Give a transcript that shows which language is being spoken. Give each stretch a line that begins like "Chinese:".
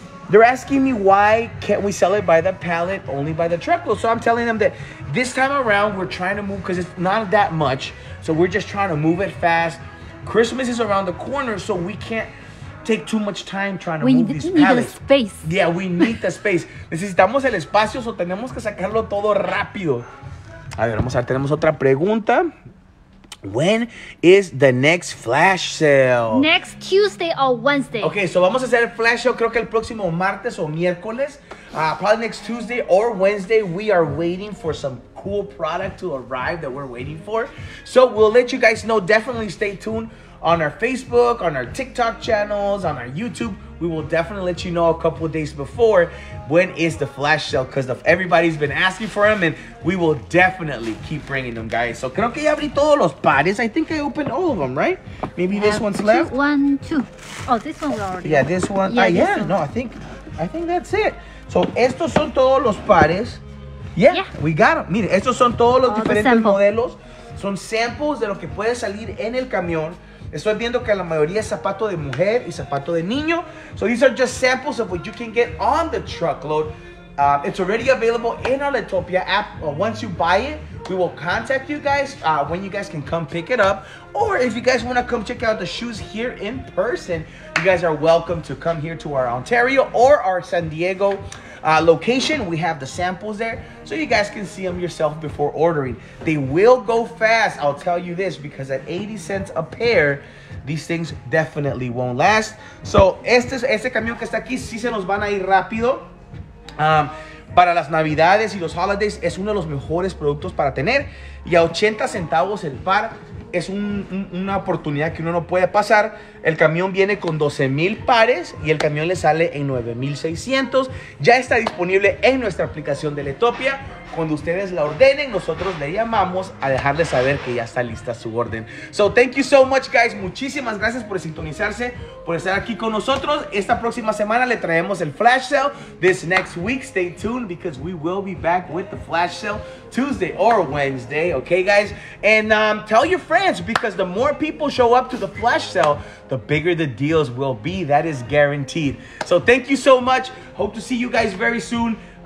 English: They're asking me why can't we sell it by the pallet, only by the truckload. So I'm telling them that this time around we're trying to move, because it's not that much. So we're just trying to move it fast. Christmas is around the corner, so we can't take too much time trying to move these pallets. We need the space. Yeah, we need the space.
Spanish: Necesitamos el espacio, so tenemos que sacarlo todo rápido. A ver, vamos a ver, tenemos otra pregunta.
English: When is the next flash sale? Next Tuesday or Wednesday.
Spanish: Okay, so vamos a hacer el flash sale, creo que el próximo martes o miércoles.
English: Probably next Tuesday or Wednesday. We are waiting for some cool product to arrive that we're waiting for. So we'll let you guys know. Definitely stay tuned on our Facebook, on our TikTok channels, on our YouTube. We will definitely let you know a couple of days before when is the flash sale, because everybody's been asking for them, and we will definitely keep bringing them, guys.
Spanish: So creo que ya abrí todos los pares.
English: I think I opened all of them, right? Maybe this one's two, left. One, two. Oh, this one's already. Yeah, this one. Yeah, this one. No, I think that's it. So
Spanish: estos son todos los pares.
English: Yeah, we got them.
Spanish: Mire, estos son todos los diferentes modelos. Son samples de lo que puede salir en el camión. Estoy viendo que la mayoría es zapato de mujer y zapato de niño.
English: So these are just samples of what you can get on the truckload. It's already available in our Letopia app. Once you buy it, we will contact you guys when you guys can come pick it up. Or if you guys want to come check out the shoes here in person, you guys are welcome to come here to our Ontario or our San Diego location. We have the samples there, so you guys can see them yourself before ordering. They will go fast, I'll tell you this, because at 80 cents a pair, these things definitely won't last.
Spanish: So este camión que está aquí sí se nos van a ir rápido. Para las navidades y los holidays es uno de los mejores productos para tener, y a 80 centavos el par es una oportunidad que uno no puede pasar. El camión viene con 12 mil pares y el camión le sale en 9,600. Ya está disponible en nuestra aplicación de Letopia. Cuando ustedes la ordenen, nosotros le llamamos a dejarles saber que ya está lista su orden. So,
English: thank you so much, guys.
Spanish: Muchísimas gracias por sintonizarse, por estar aquí con nosotros. Esta próxima semana le traemos el flash sale.
English: This next week, stay tuned, because we will be back with the flash sale Tuesday or Wednesday. Okay, guys? And tell your friends, because the more people show up to the flash sale, the bigger the deals will be. That is guaranteed. So, thank you so much. Hope to see you guys very soon.